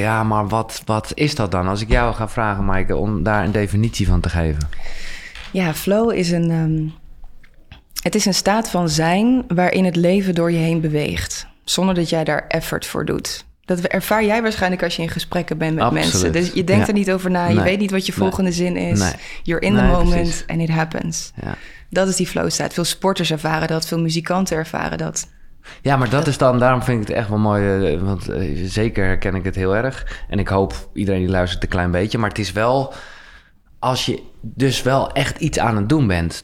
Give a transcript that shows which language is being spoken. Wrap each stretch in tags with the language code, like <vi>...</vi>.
<nl>ja, maar wat is dat dan? Als ik jou ga vragen, Maaike, om daar een definitie van te geven. Ja, flow is een... Het is een staat van zijn waarin het leven door je heen beweegt, zonder dat jij daar effort voor doet. Dat ervaar jij waarschijnlijk als je in gesprekken bent met mensen. Dus je denkt er niet over na, je weet niet wat je volgende zin is. Nee.</nl> <en>You're in the moment and it happens.</en> <nl>Ja. Dat is die flow staat. Veel sporters ervaren dat, veel muzikanten ervaren dat. Ja, maar dat is dan, daarom vind ik het echt wel mooi, want zeker herken ik het heel erg. En ik hoop iedereen die luistert een klein beetje, maar het is wel, als je dus wel echt iets aan het doen bent.</nl>